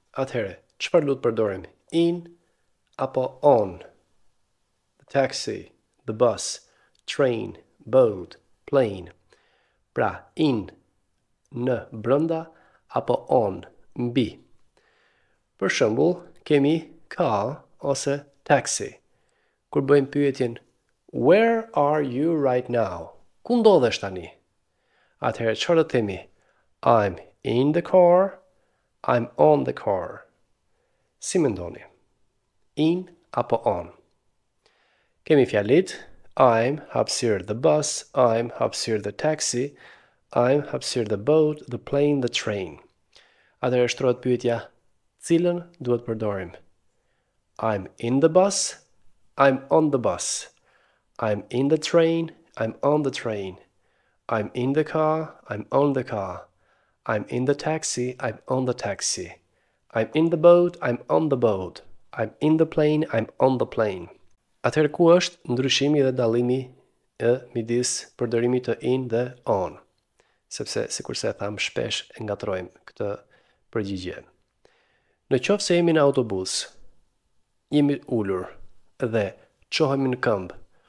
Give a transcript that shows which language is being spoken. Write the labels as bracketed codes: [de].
[sq] Atëherë, çfarë lut përdorim? In apo on? [en] The taxi, the bus, train, boat, plane. [sq] Pra, in në brenda apo on mbi. Për shembull, kemi car ose taxi. Kur bëjmë pyetjen [en] Where are you right now? [sq] Ku ndodhesh tani? Atëherë çfarë do të themi? [en] I'm in the car. I'm on the car. [sq] Si mendoni? In apo on? Kemi fjalit [en] I'm hapsir the bus, I'm hapsir the taxi, I'm hapsir the boat, the plane, the train. [sq] Atëherë shtrohet pyetja, cilën duhet përdorim? [en] I'm in the bus, I'm on the bus. I'm in the train, I'm on the train. I'm in the car, I'm on the car. I'm in the taxi, I'm on the taxi. I'm in the boat, I'm on the boat. I'm in the plane, I'm on the plane. [sq] Atëherë ku është ndryshimi dhe dallimi midis përdorimit të in dhe on? Sepse sikurse e tham shpesh e ngatrojmë këtë përgjigje. Në qoftë se jemi në autobus, jemi ulur dhe çohemi në këmbë.